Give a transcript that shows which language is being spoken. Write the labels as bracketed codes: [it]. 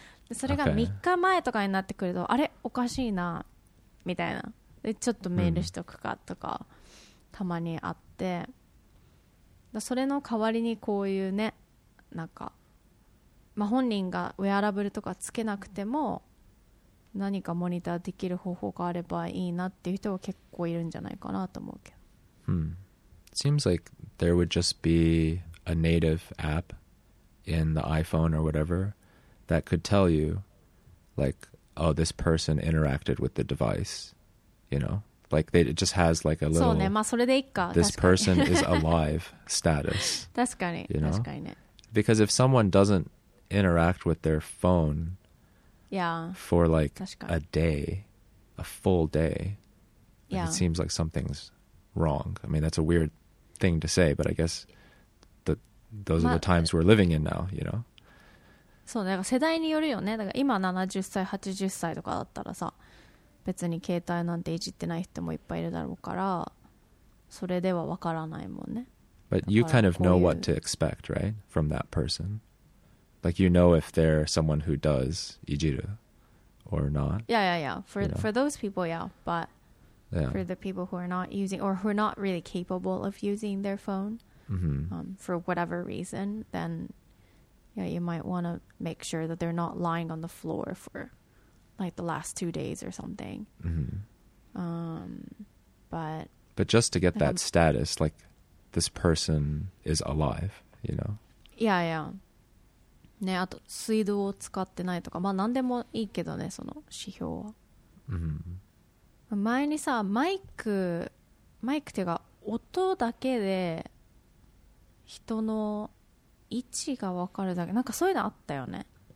[ja] でそれが3日前とかになってくると、okay. あれおかしいなみたいな、でちょっとメールしとくかとか、たまにあって、だそれの代わりにこういうね、なんか、まあ、本人がウェアラブルとかつけなくても何かモニターできる方法があればいいなっていう人は結構いるんじゃないかなと思うけど。 [en] It seems like there would just beA native app in the iPhone or whatever that could tell you, like, oh, this person interacted with the device, you know, like they, it just has like a little, [ja] そうね、まあそれでいいか。 [en] this person is alive status, [ja] 確かに。 [en] you know, because if someone doesn't interact with their phone, for like a day, a full day. It seems like something's wrong. I mean, that's a weird thing to say, but I guess those are the times we're living in now, you know? [ja] そう、だから世代によるよね。だから今70歳、80歳とかだったらさ、別に携帯なんていじってない人もいっぱいいるだろうから、それではわからないもんね。 [en] But you kind of know what to expect, right? From that person. Like, you know if they're someone who does ijiru or not. Yeah, yeah, yeah. For those people, yeah. But for the people who are not using or who are not really capable of using their phone for whatever reason, then yeah, you might want to make sure that they're not lying on the floor for like the last 2 days or something. But just to get like that status, like, this person is alive, you know? Yeah, yeah. [ja] ね、あと水道を使ってないとか、まあ何でもいいけどね、その指標は。うん。前にさ、マイクっていうか、音だけで人の位置が分かるだけ、なんかそういうのあったよね。